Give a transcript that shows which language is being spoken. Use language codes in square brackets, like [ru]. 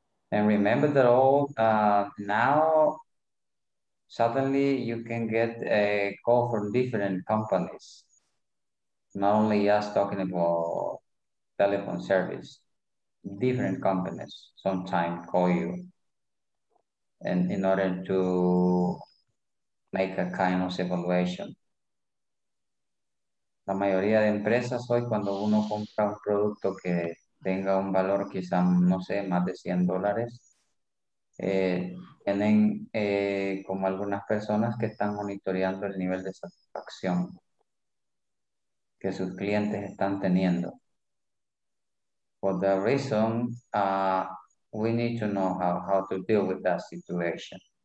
[en] And remember that all now, suddenly you can get a call from different companies. Not only us talking about telephone service, different companies sometimes call you. And in order to make a kind of evaluation. [es] La mayoría de empresas hoy cuando uno compra un producto que tenga un valor quizá, no sé, más de $100, tienen como algunas personas que están monitoreando el nivel de satisfacción que sus clientes están teniendo. [en] For that reason, we need to know how to deal with that situation.